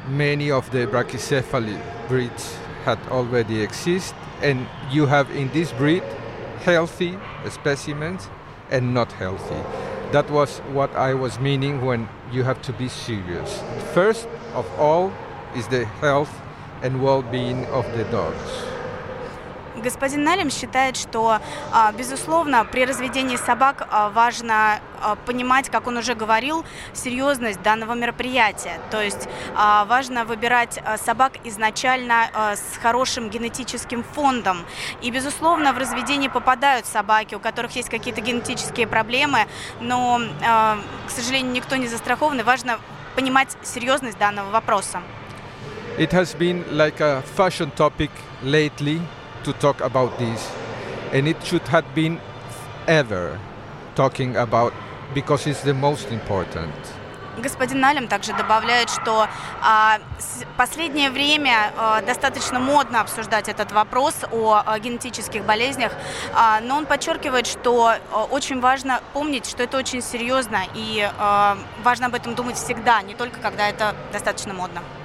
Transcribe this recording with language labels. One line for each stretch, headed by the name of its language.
English: Many of the brachycephaly breeds had already existed, and you have in this breed healthy specimens and not healthy. That was what I was meaning when you have to be serious. First of all is the health and well-being of the dogs.
Russian: Господин Налим считает, что, безусловно, при разведении собак важно понимать, как он уже говорил, серьезность данного мероприятия. То есть важно выбирать собак изначально с хорошим генетическим фондом. И, безусловно, в разведении попадают собаки, у которых есть какие-то генетические проблемы, но, к сожалению, никто не застрахован, и важно понимать серьезность данного вопроса.
English: It has been like a fashion topic lately to talk about this, and it should have been ever talking about, because it's the most important.
Russian: Господин Налим также добавляет, что последнее время достаточно модно обсуждать этот вопрос о генетических болезнях, но он подчеркивает, что очень важно помнить, что это очень серьезно, и важно об этом думать всегда, не только когда это достаточно модно.